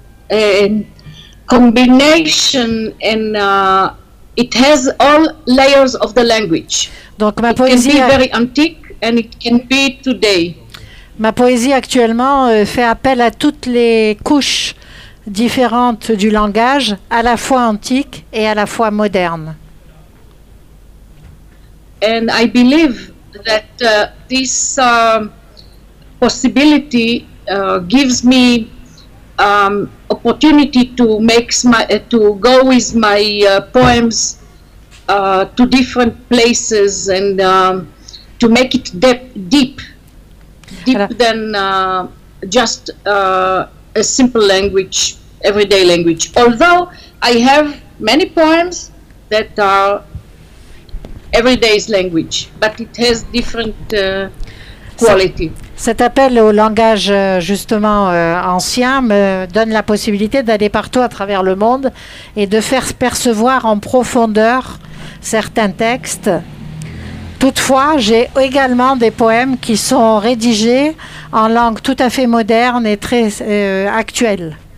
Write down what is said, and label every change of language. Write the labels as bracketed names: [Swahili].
[English] A combination and it has all layers of the language. [French] Donc ma poésie [English] it can be very antique and it can be today. [French] Ma poésie actuellement fait appel à toutes les couches différentes du langage, à la fois antique et à la fois moderne. [English] And I believe that this possibility gives me opportunity to make to go with my poems to different places and to make it deep than just a simple language, everyday language. Although I have many poems that are everyday's language, but it has different quality. [French] Cet appel au langage justement ancien me donne la possibilité d'aller partout à travers le monde et de faire percevoir en profondeur certains textes. Toutefois, j'ai également des poèmes qui sont rédigés en langue tout à fait moderne et très actuelle.